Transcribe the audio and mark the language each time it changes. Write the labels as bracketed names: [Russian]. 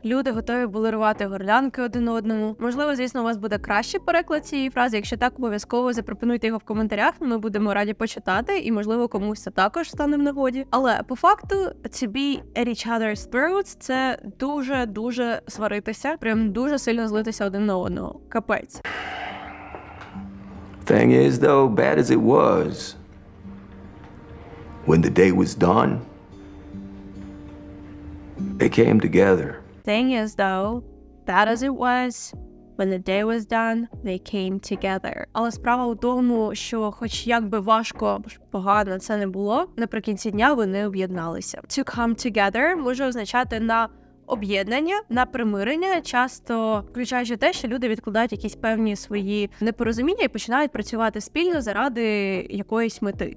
[Ukrainian] Люди готові були рвати горлянки один одному. Можливо, звісно, у вас буде кращий переклад цієї фрази. Якщо так, обов'язково запропонуйте його в коментарях. Ми будемо раді почитати, і, можливо, комусь це також стане в нагоді. Але по факту, [English] to be at each other's throats [Ukrainian] – це дуже-дуже сваритися. Прям дуже сильно злитися один на одного. Капець. [English] Thing is, though, bad as it was, when the day was done, they came together. Thing is, though, bad as it was, when the day was done, they came together. [Ukrainian] Але справа у тому, що хоч як би важко, погано це не було, наприкінці дня вони об'єдналися. [English] To come together [Ukrainian] може означати на об'єднання, на примирення, часто включаючи те, що люди відкладають якісь певні свої непорозуміння і починають працювати спільно заради якоїсь мети.